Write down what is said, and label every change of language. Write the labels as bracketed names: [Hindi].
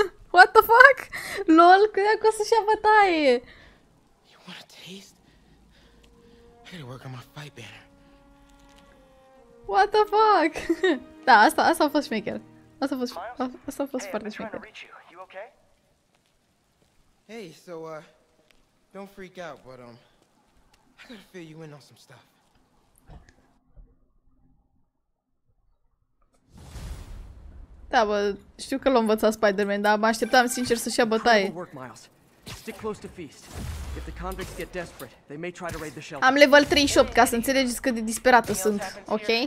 [English] What the fuck? [Romanian] Lol, credeam că o să-și ia bătaie. [English] You want a taste? I gotta work on my fight banner. What the fuck? [Romanian] Da, asta, asta a fost șmecher. Asta a fost, Miles? Asta a fost, hey, foarte șmecher. [English] You okay? Hey, so, don't freak out, but, I gotta fill you in on some stuff. [Romanian] Da, bă, știu că l-a învățat Spider-Man, dar mă așteptam sincer să-și ia bătaie. [English] Stick close to Feast. If the convicts get desperate, they may try to raid the shelter. [Romanian] Am level 38, ca să înțelegeți cât de disperată sunt, ok?